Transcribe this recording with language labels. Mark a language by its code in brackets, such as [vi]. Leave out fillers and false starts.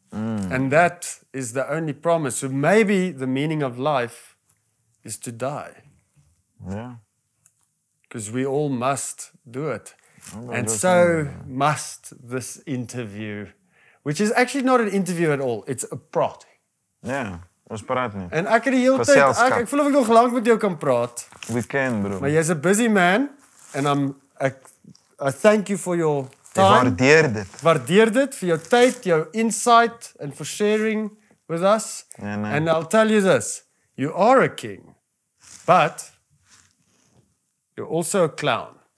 [en] And that is the only promise. So maybe the meaning of life is to die. Yeah. Because we all must do it. And so must this interview, which is actually not an interview at all. It's a prating. [af] Yeah, ons praat nie. And ek het die hele tijd, ek voel of ek nog lang met jou kan praat. [en] We can, bro. [af] Maar jy is [en] a busy man. And I thank you for your time. [af] Ek waardeer dit. Waardeer dit vir jou tyd, jou insight [en] and for sharing with us. Yeah, and I'll tell you this. You are a king. But you're also a clown.